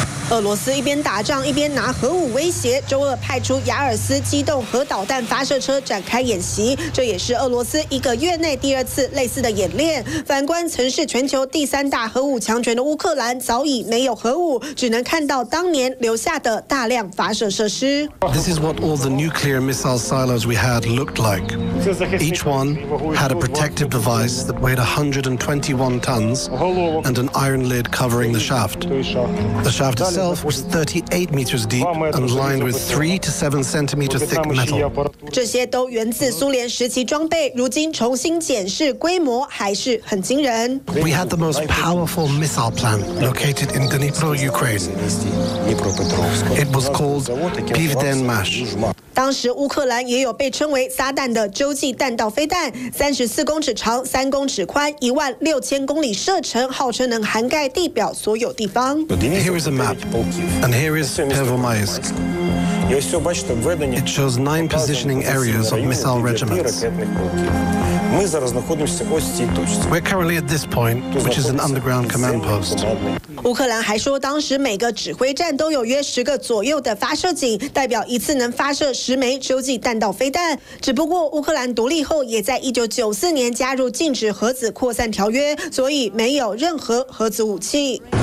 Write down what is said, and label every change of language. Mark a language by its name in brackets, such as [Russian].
[Chinese] 俄罗斯一边打仗一边拿核武威胁，周二派出亚尔斯机动核导弹发射车展开演习，这也是俄罗斯一个月内第二次类似的演练。反观曾是全球第三大核武强权的乌克兰，早已没有核武，只能看到当年留下的大量发射设施。 [English] This is what all the nuclear missile silos we had looked like. Each one had a protective device that weighed 121 tons and an iron lid covering the shaft. The shaft itself was 38 meters deep and lined with 3 to 7 centimeters thick metal. [Chinese] 这些都源自苏联时期装备，如今重新检视，规模还是很惊人。 [English] We had the most powerful missile plant located in Dnipro, Ukraine. It was called Pivdenmash. [Chinese] 当时乌克兰也有被称为撒旦的洲际弹道飞弹，34公尺长，3公尺宽，16000公里射程，号称能涵盖地表所有地方。 [English] Here is a map. And here is Pervomaisk. It shows 9 positioning areas of missile regiments. We're currently at this point, which is an underground command post. [Chinese] 乌克兰还说，当时每个指挥站都有约10个左右的发射井，代表一次能发射10枚洲际弹道飞弹。只不过乌克兰独立后，也在1994年加入禁止核子扩散条约，所以没有任何核子武器。